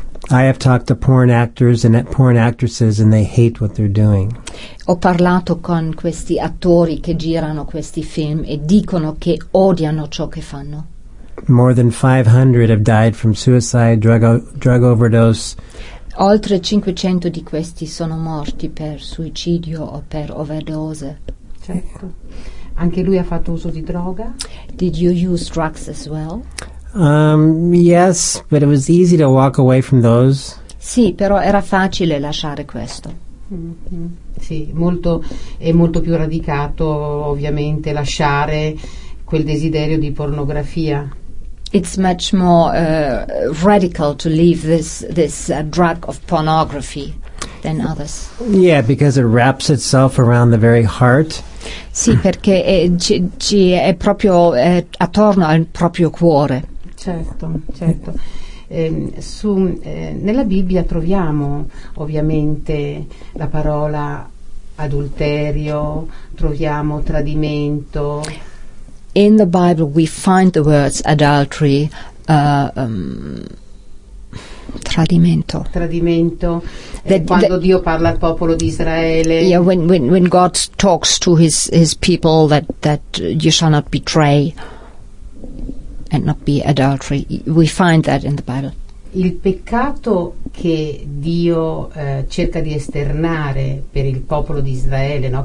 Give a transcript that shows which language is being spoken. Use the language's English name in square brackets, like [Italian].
[English] I have talked to porn actors and porn actresses and they hate what they're doing. [Italian] Ho parlato con questi attori che girano questi film e dicono che odiano ciò che fanno. [English] More than 500 have died from suicide, drug overdose. [Italian] Oltre 500 di questi sono morti per suicidio o per overdose. Certo. Anche lui ha fatto uso di droga? [English] Did you use drugs as well? Yes, but it was easy to walk away from those. [Italian] Sì, però era facile lasciare questo. Mm-hmm. Sì, molto, è molto più radicato, ovviamente, lasciare quel desiderio di pornografia. [English] It's much more radical to leave this drug of pornography than others. Yeah, because it wraps itself around the very heart. [Italian] Sì, perché ci è proprio attorno al proprio cuore. Certo, certo. Nella Bibbia troviamo ovviamente la parola adulterio, troviamo tradimento. [English] In the Bible we find the words adultery, tradimento. [Italian] Tradimento. Quando Dio parla al popolo di Israele. [English] Yeah, when God talks to his people that you shall not betray and not be adultery, we find that in the Bible. [Italian] Il peccato che Dio cerca di esternare per il popolo di Israele, no?